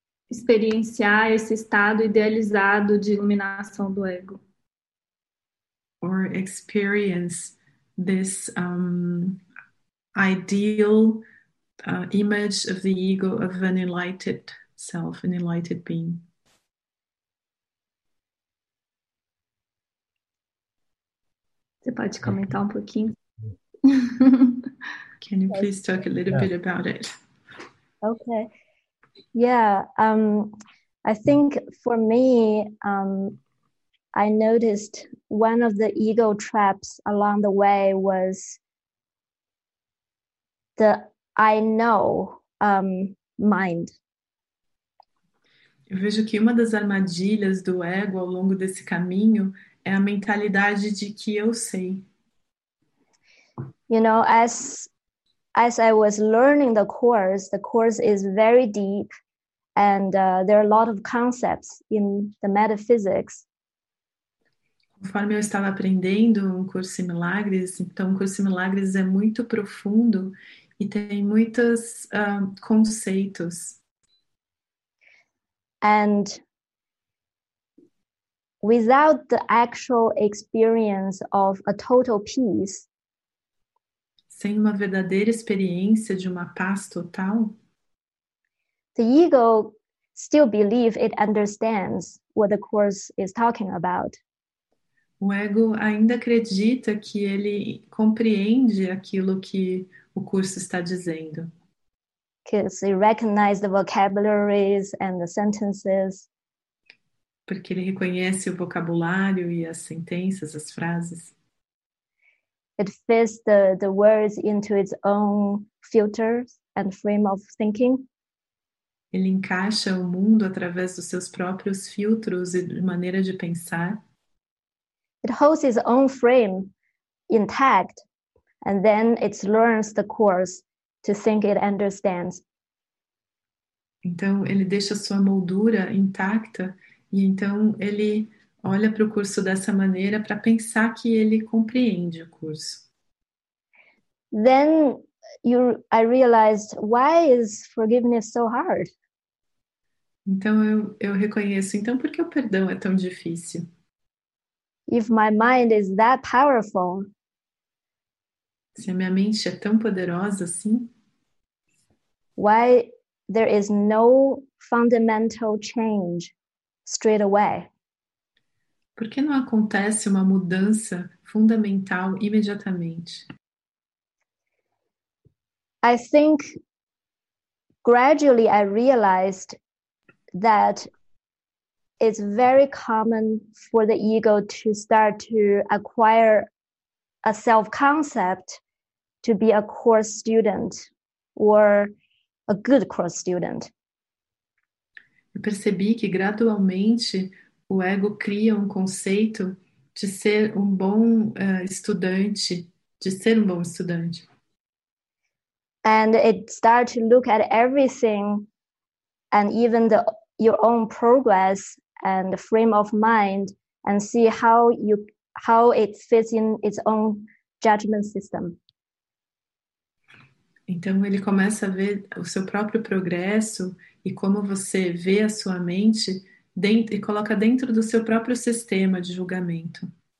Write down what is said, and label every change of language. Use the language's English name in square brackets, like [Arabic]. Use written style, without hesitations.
[Portuguese] Experienciar esse estado idealizado de iluminação do ego. [English] Or experience this ideal image of the ego of an enlightened self, an enlightened being. [Portuguese] Você pode comentar um pouquinho? [English] Can you please talk a little bit about it? Okay. Yeah, I think for me, I noticed one of the ego traps along the way was the I know mind. [Portuguese] Eu vejo que uma das armadilhas do ego ao longo desse caminho é a mentalidade de que eu sei. [English] You know, as I was learning the course is very deep. And there are a lot of concepts in the metaphysics. [Portuguese] Conforme eu estava aprendendo um curso de milagres, então o curso de milagres é muito profundo e tem muitos conceitos. [English] And without the actual experience of a total peace, [Portuguese] sem uma verdadeira experiência de uma paz total, [English] the ego still believes it understands what the course is talking about. [Portuguese] O ego ainda acredita que ele compreende aquilo que o curso está dizendo. [English] Because it recognizes the vocabularies and the sentences. [Portuguese] Porque ele reconhece o vocabulário e as sentenças, as frases. [English] It fits the words into its own filters and frame of thinking. [Portuguese] Ele encaixa o mundo através dos seus próprios filtros e de maneira de pensar. [English] It holds its own frame intact, and then it learns the course to think it understands. [Portuguese] Então, ele deixa sua moldura intacta e então ele olha para o curso dessa maneira para pensar que ele compreende o curso. [English] Then I realized why is forgiveness so hard? [Portuguese] Então eu reconheço, então por que o perdão é tão difícil? [English] If my mind is that powerful, [Portuguese] Se a minha mente é tão poderosa assim? [English] why there is no fundamental change straight away? [Portuguese] Por que não acontece uma mudança fundamental imediatamente? [English] I think gradually I realized that it's very common for the ego to start to acquire a self-concept to be a course student or a good course student. [Portuguese] Eu percebi que gradualmente o ego cria um conceito de ser um bom estudante, de ser um bom estudante. [English] And it starts to look at everything and even your own progress and the frame of mind and see how it fits in its own judgment system. [Portuguese] Então ele começa a ver o seu próprio progresso e como você vê a sua mente dentro, e coloca dentro do seu próprio sistema de julgamento.